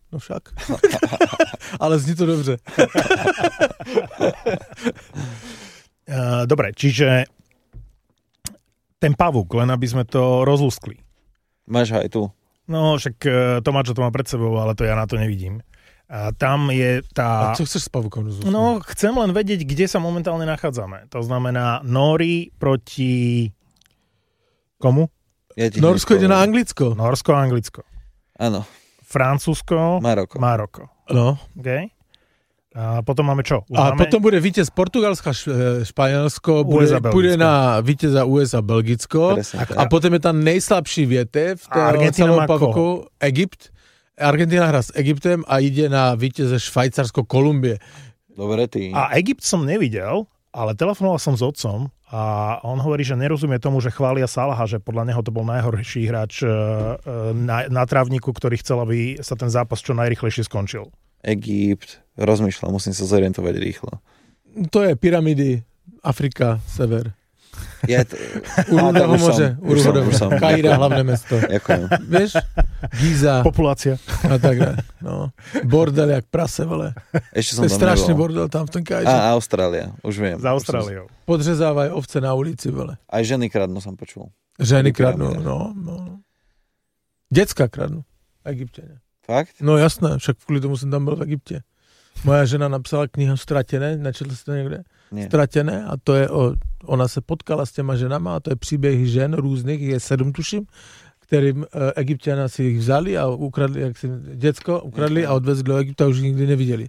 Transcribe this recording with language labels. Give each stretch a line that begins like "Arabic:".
Czech: No však. Ale zní to dobře.
Slovak: Dobré, čiže ten pavuk, len aby jsme to rozluskli. Máš aj tu.
Czech: No však Tomáš to má před sebou, ale to já na to nevidím.
Slovak: A tam je tá... A čo chceš s pavukom rozluskli? No, chcem len vedieť, kde sa momentálne nachádzame. To znamená Nori proti... Komu? Norsko ide na Anglicko. Norsko a Anglicko. Áno. Francúzsko. Maroko. Maroko. No. OK. A potom máme čo? Uznáme? A potom bude víťaz Portugalska, Španielsko. USA, bude na víťaza USA, Belgicko. Presne, a potom je tam nejslabší vietev. A Argentina má pavuku, Egypt. Argentina hrá s Egyptem a ide na víteze Švajcarsko-Kolumbie. Dobre, ty. A Egypt som nevidel, ale telefonoval som s otcom a on hovorí, že nerozumie tomu, že chvália Salaha, že podľa neho to bol najhorší hráč na trávniku, ktorý chcel, aby sa ten zápas čo najrychlejšie skončil. Egypt, rozmýšľam, musím sa zorientovať rýchlo. To je pyramidy, Afrika, sever. Je to... Urhodovo môže. Kaira, hlavné mesto. Ďakujem. Vieš? Giza. Populácia. A tak, no. Bordel jak prase, vole. Ešte som to strašný nebol. Bordel tam v tom Kaira. A Austrália, už viem. Za Austráliou. Podřezávaj ovce na ulici, vole. Aj ženy kradnú, som počul. Ženy kradnú, no. Decka kradnú. Egypťania. Fakt? No jasné, však kvôli tomu som tam bol v Egypte. Moja žena napsala knihu Stratené, načetl si to niekde? Nie.
Czech: Stratené a to je, ona se potkala s těma ženama a to je příběh žen různých, je 7 tuším, kterým Egypťana si ich vzali a ukradli, jak si děcko ukradli a odvezli do Egypta a už nikdy neviděli.